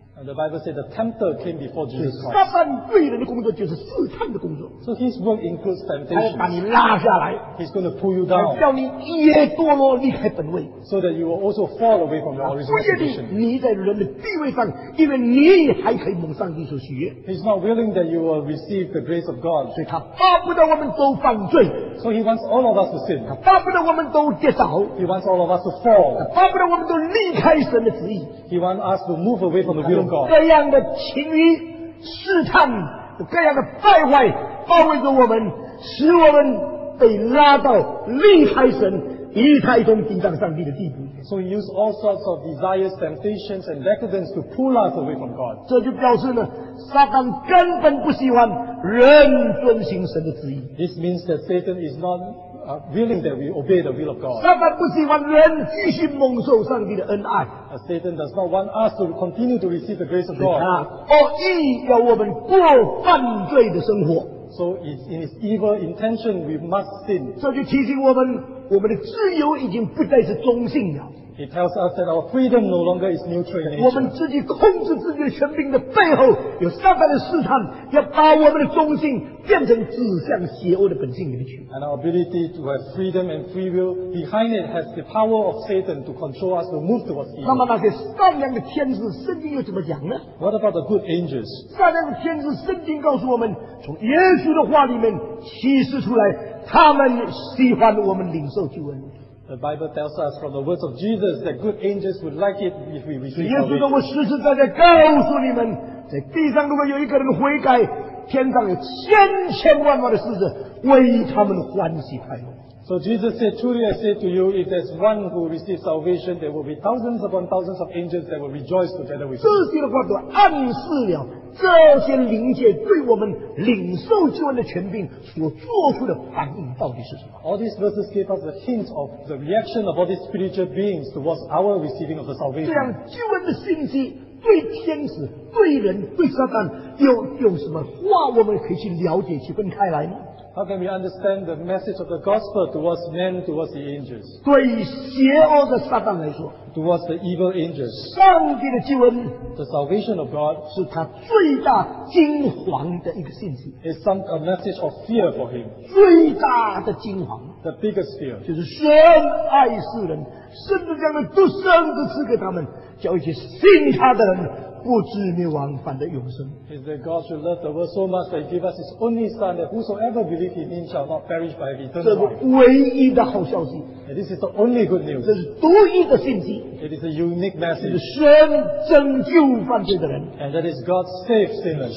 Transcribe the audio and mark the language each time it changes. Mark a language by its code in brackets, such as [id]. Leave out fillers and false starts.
[en] And the Bible said the tempter came before Jesus Christ. [zh] 撒旦罪人的工作就是试探的工作。 [en] So his work includes temptation. [zh] 他要把你拉下来。 [en] He's going to pull you down. [zh] 叫你也堕落离开本位。 [en] So that you will also fall away from your original position. [zh] 你在人的地位上，因为你还可以蒙上帝所喜悦。 [en] He's not willing that you will receive the grace of God. [zh] 所以他巴不得我们都犯罪。 [en] So he wants all of us to sin. [zh] 他巴不得我们都跌倒。 [en] He wants all of us to fall. [zh] 他巴不得我们都离开神的旨意。 [en] He wants us to move away from the will of God. [zh] 各样的情欲、试探、各样的败坏，包围着我们，使我们被拉到离开神、离开神、抵挡上帝的地步。 [en] So he uses all sorts of desires, temptations, and decadence to pull us away from God. [zh] 这就表示呢，撒旦根本不喜欢人遵行神的旨意。 [en] This means that Satan is not willing that we obey the will of God. [zh] 撒旦不喜欢人继续蒙受上帝的恩爱。 [en] Satan does not want us to continue to receive the grace of God. [zh] 恶意要我们过犯罪的生活。 [en] So in his evil intention, we must sin. [zh] 这就提醒我们，我们的自由已经不再是中性了。 [en] It tells us that our freedom no longer is neutral in nature. [zh] 我们自己控制自己的权柄的背后，有撒旦的试探，要把我们的中性变成指向邪恶的本性里面去。 [en] And our ability to have freedom and free will behind it has the power of Satan to control us to move towards evil. [zh] 那么那些善良的天使，圣经又怎么讲呢 [en] ？What about the good angels? [zh] 善良的天使，圣经告诉我们，从耶稣的话里面启示出来，他们喜欢我们领受救恩。 [en] The Bible tells us from the words of Jesus that good angels would like it if we receive it. [zh] 耶稣说：“我实实在在告诉你们，在地上如果有一个人悔改，天上有千千万万的使者为他们欢喜快乐。” [en] So Jesus said, "Truly I say to you, if there's one who receives salvation, there will be thousands upon thousands of angels that will rejoice together with him." [zh] 这些的话都暗示了这些灵界对我们领受救恩的权柄所做出的反应到底是什么 [en] ？All these verses give us a hint of the reaction of all these spiritual beings towards our receiving of the salvation. [zh] 这样救恩的信息对天使、对人、对撒旦，有什么话我们可以去了解、去分开来呢 [en] ？How can we understand the message of the gospel towards men, towards the angels? [zh] 对邪恶的撒旦来说。 [en] Towards the evil angels, [zh] 上帝的救恩 [en] the salvation of God, [zh] 是他最大惊惶的一个信息 [en] is some a message of fear for him. [zh] 最大的惊惶 [en] the biggest fear, [zh] 就是神爱世人，甚至将那独生子赐给他们，叫一些信他的人不至灭亡，反得永生。 [en] Is that God should love the world so much that He gave us His only Son, that whosoever believes in Him shall not perish but have eternal life. [zh] 这是唯一的好消息。 [en] And this is the only good news. [zh] 这是独一的信息。 [en] It is a unique message. [zh] 神拯救犯罪的人。 [en] And that is God saves sinners.